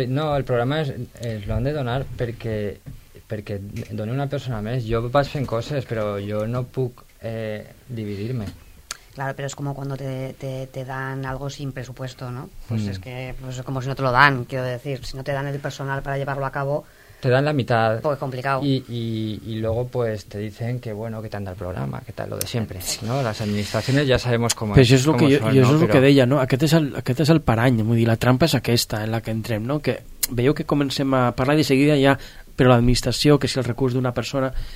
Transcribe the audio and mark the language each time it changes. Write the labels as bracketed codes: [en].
[ca] No, el programa es lo han de donar perquè doni una persona més. Jo vaig fent coses, però jo no puc dividir-me. [es] Claro, pero es como cuando te dan algo sin presupuesto, ¿no? Pues es que, pues es como si no te lo dan, quiero decir. Si no te dan el personal para llevarlo a cabo... Te dan la mitad. Pues complicado. Y luego, pues, te dicen que, bueno, que te anda el programa, que tal, lo de siempre, ¿no? Las administraciones ya sabemos cómo pues es. eso es lo que, son, yo, ¿no? Eso es lo que deia, ¿no? [ca] Aquest és el parany, vull dir, la trampa és aquesta en la que entrem, ¿no? Que veieu que comencem a parlar de seguida ja... Però l'administració, que és el recurs d'una persona...